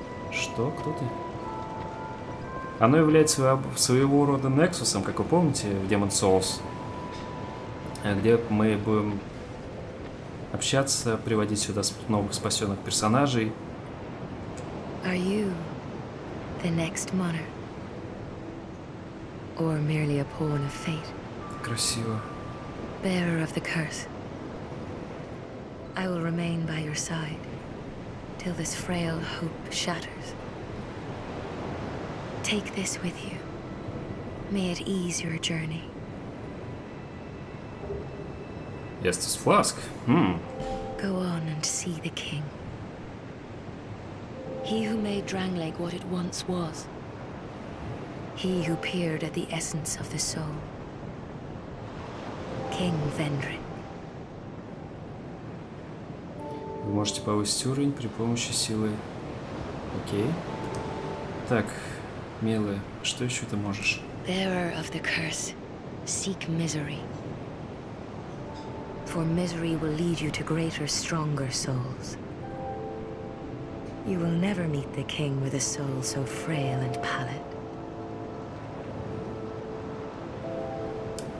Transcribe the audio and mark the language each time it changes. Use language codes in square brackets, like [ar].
[ru] Что? Кто ты? Оно является своего рода нексусом, как вы помните, в Demon's Souls. Где мы будем общаться, приводить сюда новых спасенных персонажей. [en] Are you the next monarch? Or merely a pawn of fate? [ru] Красиво. [en] Bearer of the curse. I will remain by your side till this frail hope shatters. Take this with you. May it ease your journey. Estus Flask. Hmm. Go on and see the king. He who made Drangleic what it once was. He who peered at the essence of the soul. King Vendrin. [ru] Вы можете повысить уровень при помощи силы. [en] Окей. [ru] Так, милая, что еще ты можешь? [en] Bearer of the curse. Seek misery. For misery will lead you to greater, stronger souls. You will never meet the king with a soul so frail and pallid.